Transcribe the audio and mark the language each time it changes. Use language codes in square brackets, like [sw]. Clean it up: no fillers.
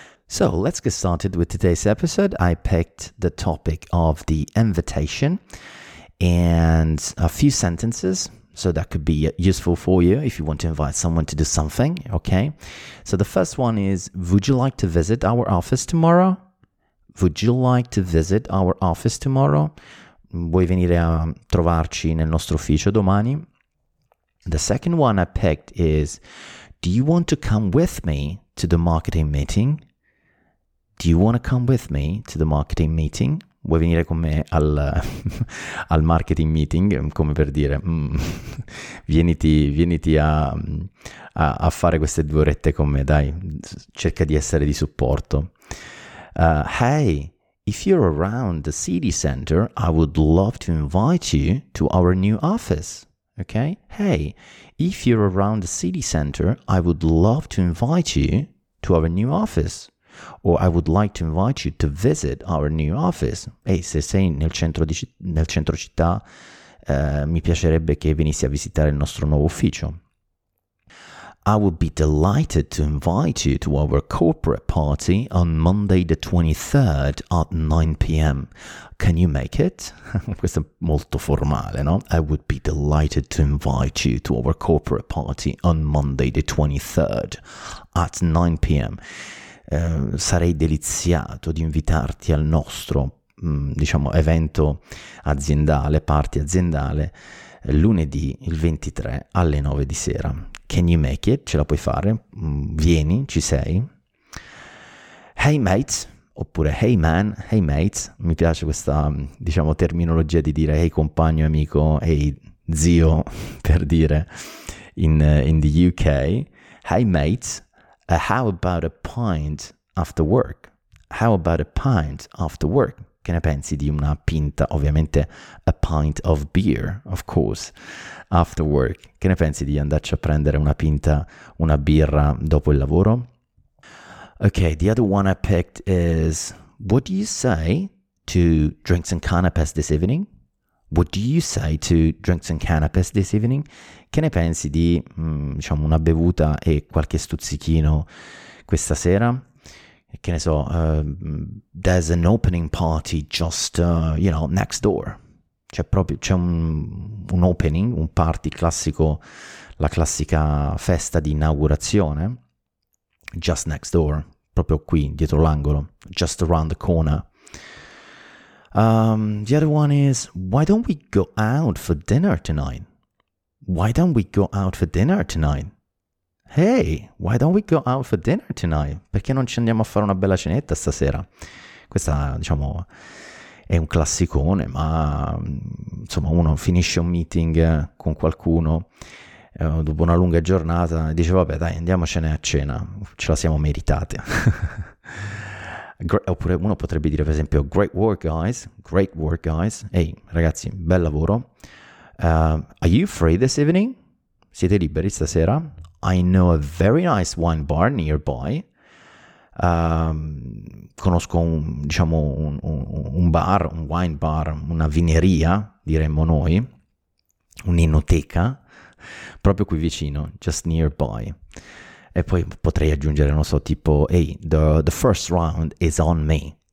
[en] So let's get started with today's episode. I picked the topic of the invitation and a few sentences. So that could be useful for you if you want to invite someone to do something, okay? So the first one is, would you like to visit our office tomorrow? Would you like to visit our office tomorrow? [it] Vuoi venire a trovarci nel nostro ufficio domani? [en] The second one I picked is, do you want to come with me to the marketing meeting? Do you want to come with me to the marketing meeting? [it] Vuoi venire con me al marketing meeting? Come per dire, vieniti a fare queste due orette con me, dai, cerca di essere di supporto. [en] Hey, if you're around the city center, I would love to invite you to our new office. Okay? Hey, if you're around the city center, I would love to invite you to our new office. Or I would like to invite you to visit our new office. [it] Hey, se sei nel centro città, mi piacerebbe che venissi a visitare il nostro nuovo ufficio. [en] I would be delighted to invite you to our corporate party on Monday the 23rd at 9 p.m. Can you make it? [it] Questo è molto formale, no? [en] I would be delighted to invite you to our corporate party on Monday the 23rd at 9 p.m. [it] Sarei deliziato di invitarti al nostro, diciamo, evento aziendale, party aziendale, lunedì il 23 alle 9 di sera. [en] Can you make it? [it] Ce la puoi fare? Vieni, ci sei? Hey mates, oppure [en] hey man, hey mates, [it] mi piace questa, diciamo, terminologia di dire hey compagno, amico, hey zio, per dire [en] in the UK. Hey mates, how about a pint after work? How about a pint after work? [it] Che ne pensi di una pinta, ovviamente [en] a pint of beer, of course, after work? [it] Che ne pensi di andarci a prendere una pinta, una birra dopo il lavoro? [en] Okay, the other one I picked is, what do you say to drinks and canapés this evening? What do you say to drinks and canapés this evening? [it] Che ne pensi di, diciamo, una bevuta e qualche stuzzichino questa sera? Che ne so, [en] there's an opening party just, you know, next door. [it] C'è proprio, c'è un opening, un party classico, la classica festa di inaugurazione. [en] Just next door, [it] proprio qui, dietro l'angolo. [en] Just around the corner. The other one is, why don't we go out for dinner tonight? Why don't we go out for dinner tonight? Hey, why don't we go out for dinner tonight? [it] Perché non ci andiamo a fare una bella cenetta stasera? Questa, diciamo, è un classicone, ma insomma, uno finisce un meeting con qualcuno dopo una lunga giornata e dice, vabbè, dai, andiamocene a cena, ce la siamo meritate. Oppure uno potrebbe dire, per esempio, [en] great work, guys, hey, [it] ragazzi, bel lavoro. [en] Are you free this evening? [it] Siete liberi stasera? [en] I know a very nice wine bar nearby. [it] Conosco un wine bar, una vineria, diremmo noi, un'enoteca, proprio qui vicino, [en] just nearby. [it] E poi potrei aggiungere, non so, tipo, [en] hey, the first round is on me.